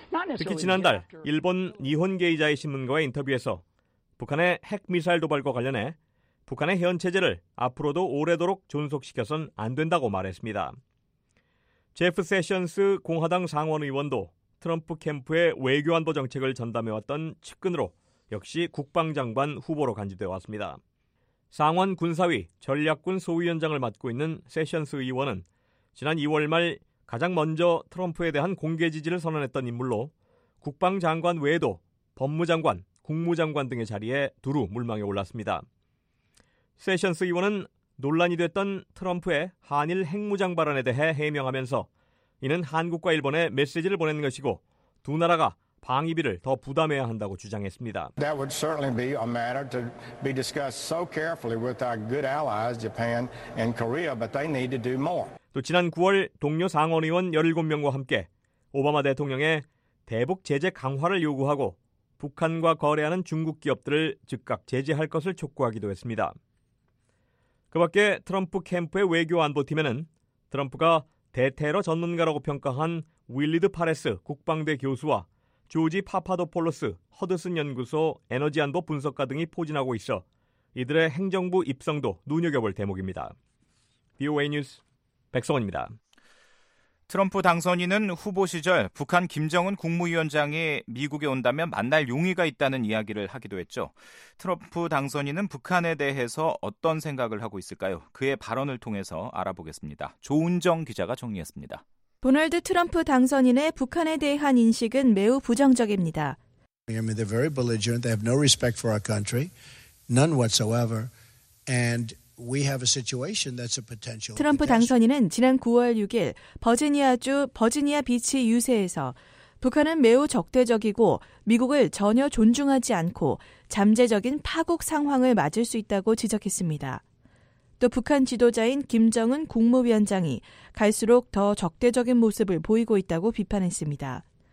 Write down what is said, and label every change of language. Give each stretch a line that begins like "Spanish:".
English: Not necessarily.
Korean: 특히 지난달 일본 니혼 게이자의 신문과의 인터뷰에서 북한의 핵 미사일 도발과 관련해 북한의 현 체제를 앞으로도 오래도록 존속시켜선 안 된다고 말했습니다. 제프 세션스 공화당 상원 의원도 트럼프 캠프의 외교 안보 정책을 전담해 왔던 측근으로 역시 국방장관 후보로 간주되어 왔습니다. 상원 군사위 전략군 소위원장을 맡고 있는 세션스 의원은 지난 2월 말 가장 먼저 트럼프에 대한 공개 지지를 선언했던 인물로 국방장관 외에도 법무장관, 국무장관 등의 자리에 두루 물망에 올랐습니다. 세션스 의원은 논란이 됐던 트럼프의 한일 핵무장 발언에 대해 해명하면서 이는 한국과 일본에 메시지를 보내는 것이고 두 나라가 방위비를 더 부담해야 한다고 주장했습니다.
English: That would certainly be a matter to be discussed so carefully with our good allies Japan and Korea, but they need to do more.
Korean: 또 지난 9월 동료 상원 의원 17명과 함께 오바마 대통령의 대북 제재 강화를 요구하고 북한과 거래하는 중국 기업들을 즉각 제재할 것을 촉구하기도 했습니다. 그 밖에 트럼프 캠프의 외교 안보팀에는 트럼프가 대테러 전문가라고 평가한 윌리드 파레스 국방대 교수와 조지 파파도폴로스 허드슨 연구소 에너지 안보 분석가 등이 포진하고 있어 이들의 행정부 입성도 눈여겨볼 대목입니다. VOA 뉴스 백성원입니다. 트럼프 당선인은 후보 시절 북한 김정은 국무위원장이 미국에 온다면 만날 용의가 있다는 이야기를 하기도 했죠. 트럼프 당선인은 북한에 대해서 어떤 생각을 하고 있을까요? 그의 발언을 통해서 알아보겠습니다. 조은정 기자가 정리했습니다. 도널드 트럼프 당선인의 북한에 대한 인식은 매우 부정적입니다.
English: They're very belligerent. They have no respect for our country. None whatsoever. And we have a situation that's a potential.
Korean: 트럼프 당선인은 지난 9월 6일 버지니아주 버지니아 비치 유세에서 북한은 매우 적대적이고 미국을 전혀 존중하지 않고 잠재적인 파국 상황을 맞을 수 있다고 지적했습니다. 또 북한 지도자인 김정은 국무위원장이 갈수록 더 적대적인 모습을 보이고 있다고 비판했습니다.